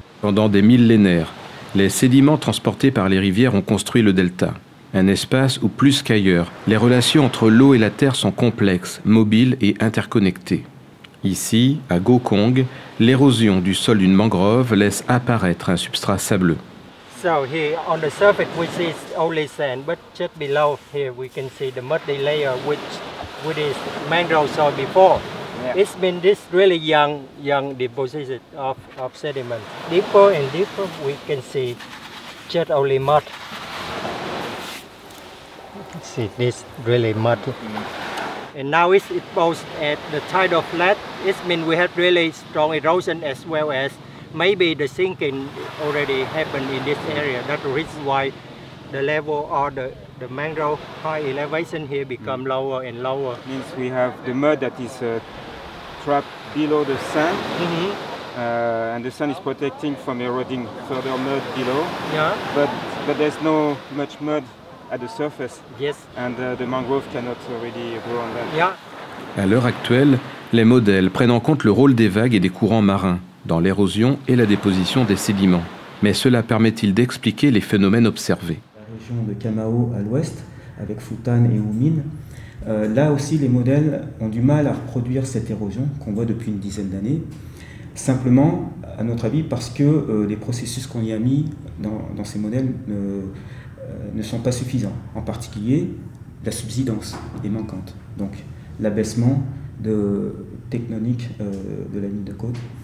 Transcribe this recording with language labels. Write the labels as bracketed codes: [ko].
[fr] Pendant des millénaires, les sédiments transportés par les rivières ont construit le delta, un espace où plus qu'ailleurs, les relations entre l'eau et la terre sont complexes, mobiles et interconnectées. Ici, à Gokong, l'érosion du sol d'une mangrove laisse apparaître un substrat sableux. [en] So here on the surface we see only sand, but just below here we can see the muddy layer which is mangrove soil before. Yeah. It's been this really young deposit of sediment. Deeper and deeper we can see just only mud. See this really mud. Mm-hmm. And now it's exposed at the tidal flat. It means we have really strong erosion as well as maybe the sinking already happened in this area. That's the reason why the level or the mangrove high elevation here become lower and lower. Means we have the mud that is trapped below the sand, mm-hmm. And the sand is protecting from eroding further mud below. Yeah. But there's no much mud at the surface. Yes. And the mangrove cannot really grow on that. Yeah. [fr] À l'heure actuelle, les modèles prennent en compte le rôle des vagues et des courants marins dans l'érosion et la déposition des sédiments. Mais cela permet-il d'expliquer les phénomènes observés? La région de Cà Mau à l'ouest, avec Futan et Houmin, là aussi les modèles ont du mal à reproduire cette érosion qu'on voit depuis une dizaine d'années, simplement, à notre avis, parce que les processus qu'on y a mis dans ces modèles ne sont pas suffisants, en particulier la subsidence est manquante, donc l'abaissement de tectonique de la ligne de côte.